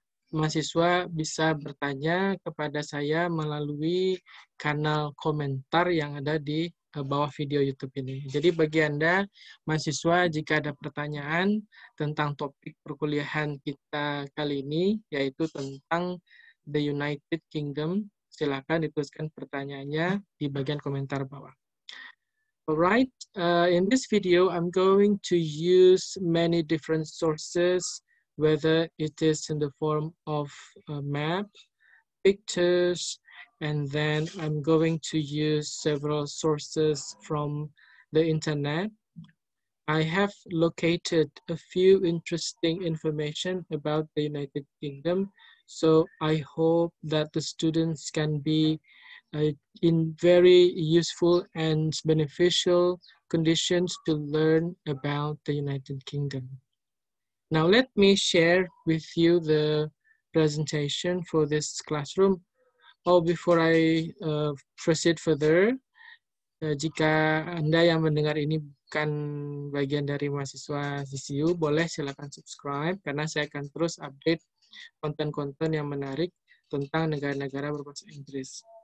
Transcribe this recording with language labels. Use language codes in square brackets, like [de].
[id] Mahasiswa bisa bertanya kepada saya melalui kanal komentar yang ada di bawah video YouTube ini. Jadi bagi Anda, mahasiswa, jika ada pertanyaan tentang topik perkuliahan kita kali ini, yaitu tentang The United Kingdom, silakan dituliskan pertanyaannya di bagian komentar bawah. [en] Alright, in this video, I'm going to use many different sources, whether it is in the form of a map, pictures, and then I'm going to use several sources from the internet. I have located a few interesting information about the United Kingdom, so I hope that the students can be in very useful and beneficial conditions to learn about the United Kingdom. Now let me share with you the presentation for this classroom. Oh, before I proceed further, [id] jika Anda yang mendengar ini bukan bagian dari mahasiswa CCU, boleh silakan subscribe karena saya akan terus update konten-konten yang menarik tentang negara-negara berbahasa Inggris.